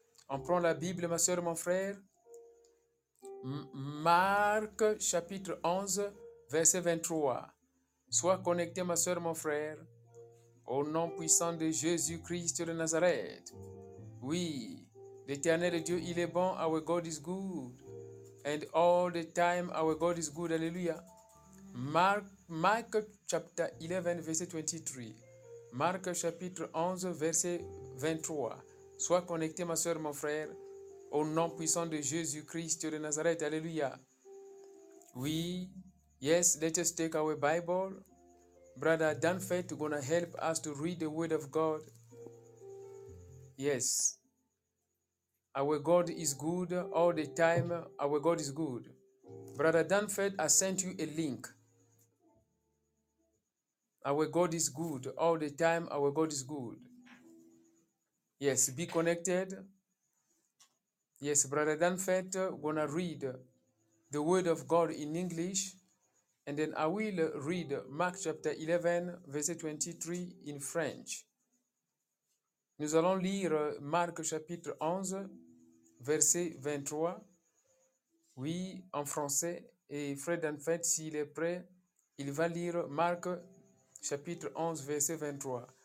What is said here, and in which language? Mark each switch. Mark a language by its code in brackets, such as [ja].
[fr] On prend la Bible, ma soeur, mon frère. Marc chapitre 11 verset 23. Sois connecté ma soeur, mon frère, au nom puissant de Jésus Christ de Nazareth. Oui, l'Éternel Dieu, il est bon. [en] Our God is good. And all the time our God is good. [fr] Alléluia. Marc chapitre 11 verset 23. Marc chapitre 11 verset 23. Sois connecté ma soeur, mon frère, au nom puissant de Jésus-Christ de Nazareth. [en] Alléluia. Oui. Yes, let us take our Bible. Brother Dan Fett is going to help us to read the Word of God. Yes. Our God is good all the time. Our God is good. Brother Dan Fett, I sent you a link. Our God is good all the time. Our God is good. Yes, be connected. Yes, Brother Danfett, gonna read the Word of God in English And then I will read Mark chapter 11, verset 23 in French. [fr] Nous allons lire Marc chapitre 11, verset 23, oui, en français. Et Fred, en fait, s'il est prêt, il va lire Marc chapitre 11, verset 23.